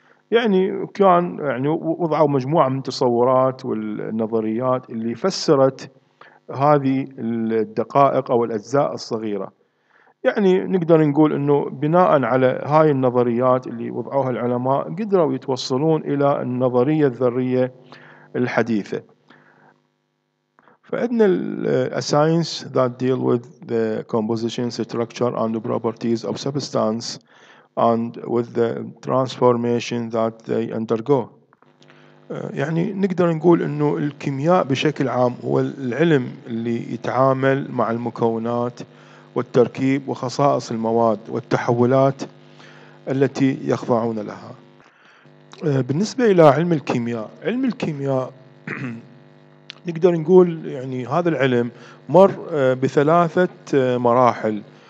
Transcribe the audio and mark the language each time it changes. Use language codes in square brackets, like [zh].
[ar] يعني كان يعني وضعوا مجموعة من التصورات والنظريات اللي فسرت هذه الدقائق أو الأجزاء الصغيرة. يعني نقدر نقول أنه بناء على هاي النظريات اللي وضعوها العلماء قدروا يتوصلون إلى النظرية الذرية الحديثة. فعندنا [en] a science that deal with the composition, structure and properties of substance and with the transformation that they undergo. [ar] يعني نقدر نقول انه الكيمياء بشكل عام هو العلم اللي يتعامل مع المكونات والتركيب وخصائص المواد والتحولات التي يخضعون لها. بالنسبة الى علم الكيمياء، علم الكيمياء نقدر نقول يعني هذا العلم مر بثلاثة مراحل.